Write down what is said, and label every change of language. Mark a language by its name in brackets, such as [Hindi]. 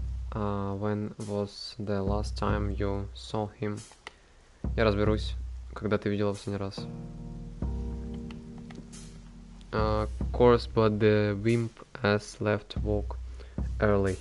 [English] When was the last time you saw him? [Russian] Я разберусь, когда ты видела в последний раз. [English] Course, but the wimp has left work early.